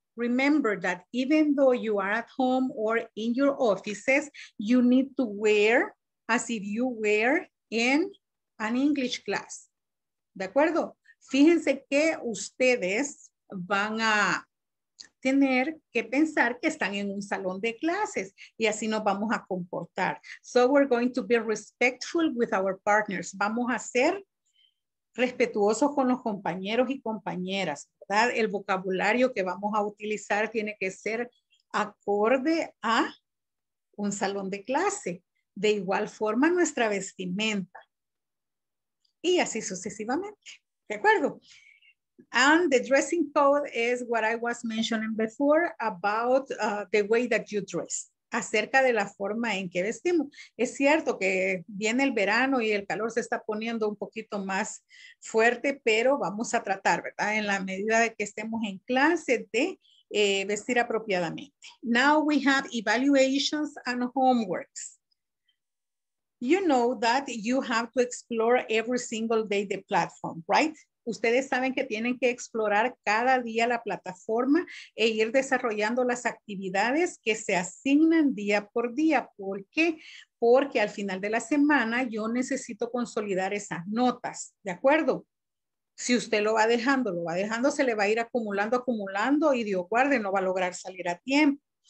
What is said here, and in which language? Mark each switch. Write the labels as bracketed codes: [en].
[en] Remember that even though you are at home or in your offices, you need to wear as if you were in an English class. [es] ¿De acuerdo? Fíjense que ustedes van a tener que pensar que están en un salón de clases y así nos vamos a comportar. [en] So we're going to be respectful with our partners. [es] Vamos a ser respetuosos con los compañeros y compañeras, ¿verdad? El vocabulario que vamos a utilizar tiene que ser acorde a un salón de clase. De igual forma, nuestra vestimenta. Y así sucesivamente. ¿De acuerdo? [en] And the dressing code is what I was mentioning before about the way that you dress. [es] Acerca de la forma en que vestimos. Es cierto que viene el verano y el calor se está poniendo un poquito más fuerte, pero vamos a tratar, ¿verdad?, en la medida de que estemos en clase, de vestir apropiadamente. [en] Now we have evaluations and homeworks. You know that you have to explore every single day the platform, right? [es] Ustedes saben que tienen que explorar cada día la plataforma e ir desarrollando las actividades que se asignan día por día. ¿Por qué? Porque al final de la semana yo necesito consolidar esas notas, ¿de acuerdo? Si usted lo va dejando, se le va a ir acumulando, acumulando y Dios guarde, no va a lograr salir a tiempo.